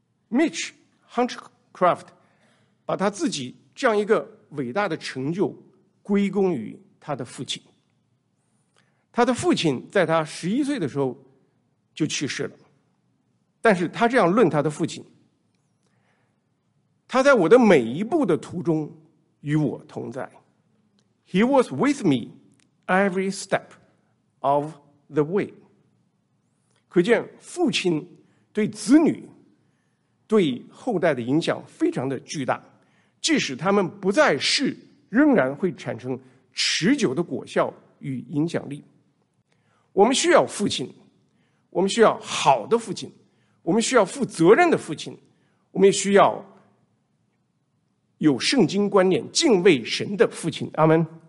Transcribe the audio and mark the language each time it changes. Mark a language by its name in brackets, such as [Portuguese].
[Chinese] Mitch Hunchcraft把他自己这样一个伟大的成就归功于他的父亲。他的父亲在他11岁的时候就去世了，但是他这样论他的父亲：他在我的每一步的途中与我同在。 [English] He was with me every step of the way。 [Chinese] 可见父亲对子女、对后代的影响非常的巨大，即使他们不在世，仍然会产生持久的果效与影响力。我们需要父亲，我们需要好的父亲，我们需要负责任的父亲，我们也需要有圣经观念、敬畏神的父亲。阿们。